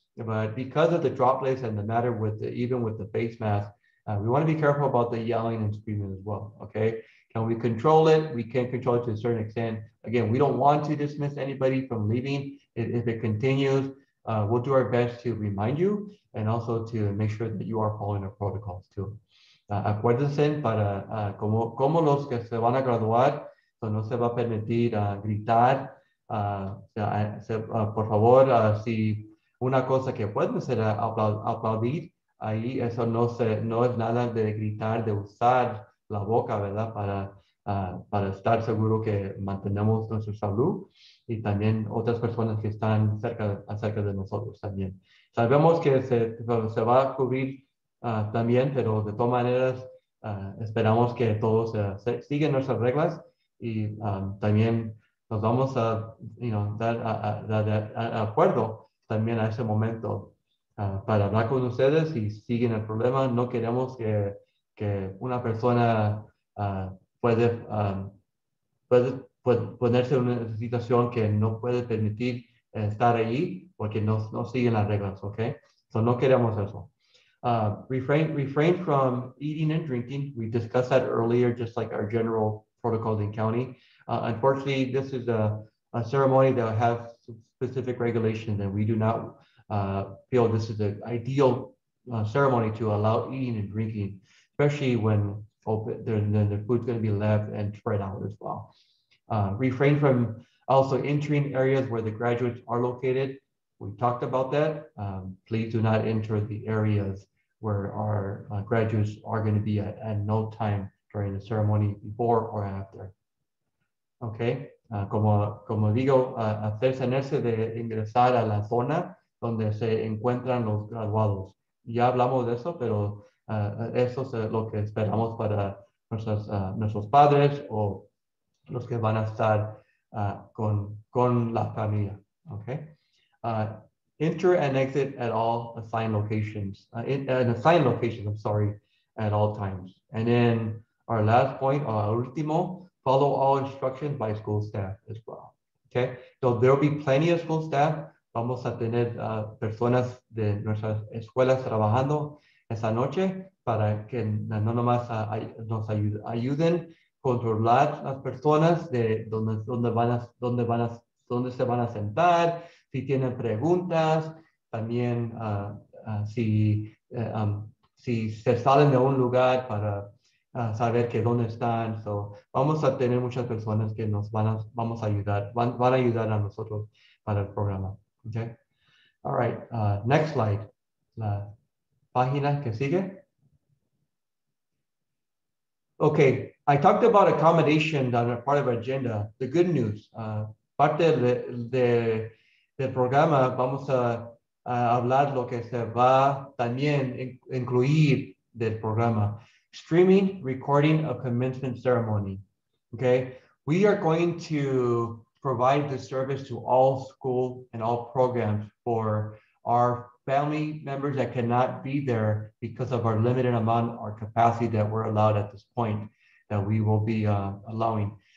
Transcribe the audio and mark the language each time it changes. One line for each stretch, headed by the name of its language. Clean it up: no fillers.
English: But because of the droplets and the matter with the, even with the face mask, we want to be careful about the yelling and screaming as well, okay? Can we control it? We can control it to a certain extent. Again, we don't want to dismiss anybody from leaving. If it continues, we'll do our best to remind you and also to make sure that you are following the protocols too.
Spanish: Acuérdense para como los que se van a graduar, so no se va a permitir gritar. Por favor, si una cosa que pueden ser aplaudir, ahí eso no es nada de gritar, de usar la boca, ¿verdad? Para estar seguro que mantenemos nuestra salud y también otras personas que están cerca de nosotros también. Sabemos que se va a cubrir también, pero de todas maneras esperamos que todos sigan nuestras reglas y también nos vamos a, you know, dar acuerdo también a ese momento para hablar con ustedes y siguen el problema. No queremos que una persona puede ponerse en una situación que no puede permitir estar ahí porque no siguen las reglas, ¿ok? So no queremos eso.
English: Refrain from eating and drinking. We discussed that earlier, just like our general protocols in county. Unfortunately, this is a ceremony that has specific regulations and we do not feel this is the ideal ceremony to allow eating and drinking, especially when the food's going to be left and spread out as well. Refrain from also entering areas where the graduates are located. We talked about that. Please do not enter the areas where our graduates are going to be at no time during the ceremony, before or after. Okay.
Spanish: Como digo, abstenerse de ingresar a la zona donde se encuentran los graduados. Ya hablamos de eso, pero eso es lo que esperamos para nuestros padres o los que van a estar con la familia, okay?
English: Enter and exit at all assigned locations, at all times. And then our last point, our último, follow all instructions by school staff as well, okay? So there'll be plenty of school staff.
Spanish: Vamos a tener personas de nuestras escuelas trabajando esa noche para que no nomás nos ayuden a controlar las personas de dónde se van a sentar, si tienen preguntas, también si se salen de un lugar para saber que dónde están. So, vamos a tener muchas personas que nos van a ayudar a nosotros para el programa.
English: Okay. All right. Next slide.
Spanish: La página que sigue.
English: Okay. I talked about accommodation that are part of our agenda. The good news.
Spanish: Parte del programa, vamos a hablar lo que se va también incluir del programa.
English: Streaming recording of commencement ceremony. Okay. We are going to provide the service to all school and all programs for our family members that cannot be there because of our limited amount or capacity that we're allowed at this point that we will be allowing.